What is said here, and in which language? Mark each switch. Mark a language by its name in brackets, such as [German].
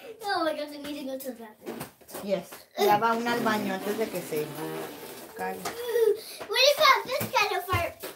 [English] Oh my gosh, I need to go to the bathroom. Yes. [Spanish] Ya va una al baño antes de que se caiga. [English] What about this kind of fart?